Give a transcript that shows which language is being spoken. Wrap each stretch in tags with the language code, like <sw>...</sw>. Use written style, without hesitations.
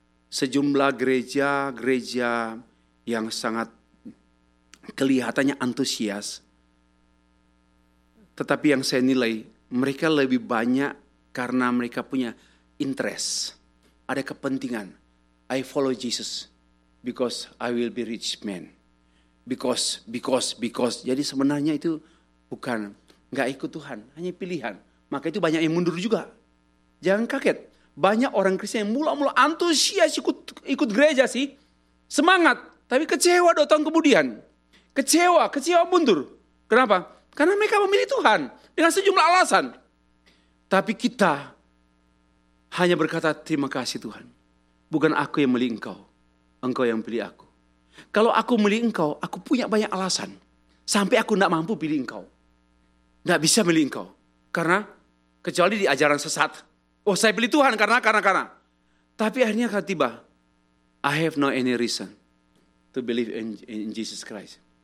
<id>Sejumlah gereja-gereja yang sangat kelihatannya antusias, tetapi yang saya nilai, mereka lebih banyak karena mereka punya interest, ada kepentingan.</id> <en>I follow Jesus because I will be rich man. Because.</en> <id>Jadi sebenarnya itu bukan, gak ikut Tuhan, hanya pilihan. Maka itu banyak yang mundur juga. Jangan kaget. Banyak orang Kristen yang mula-mula antusias ikut gereja sih. Semangat. Tapi kecewa 2 tahun kemudian. Kecewa mundur. Kenapa? Karena mereka memilih Tuhan. Dengan sejumlah alasan. Tapi kita hanya berkata terima kasih Tuhan. Bukan aku yang memilih engkau. Engkau yang pilih aku. Kalau aku memilih engkau, aku punya banyak alasan. Sampai aku tidak mampu pilih engkau. Tidak bisa memilih engkau. Karena kecuali di ajaran sesat. Oh saya pilih Tuhan karena. Tapi akhirnya kata tiba,</id> <en>I have no any reason to believe in Jesus Christ.</en>